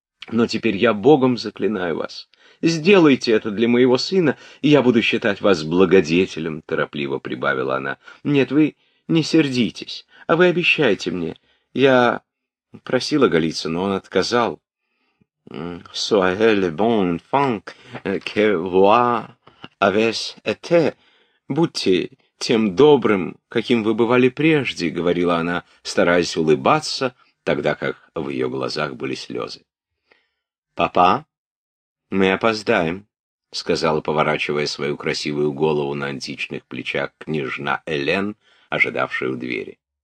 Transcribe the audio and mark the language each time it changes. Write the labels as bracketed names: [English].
[Russian] Но теперь я Богом заклинаю вас. Сделайте это для моего сына, и я буду считать вас благодетелем», — торопливо прибавила она. «Нет, вы не сердитесь, а вы обещайте мне. Я просила Голицына, но он отказал». [French] «Soyez le bon enfant que vous avez été. [Russian] Будьте тем добрым, каким вы бывали прежде», — говорила она, стараясь улыбаться, тогда как в ее глазах были слезы. «Папа, мы опоздаем», — сказала, поворачивая свою красивую голову на античных плечах, княжна Элен, ожидавшая у двери.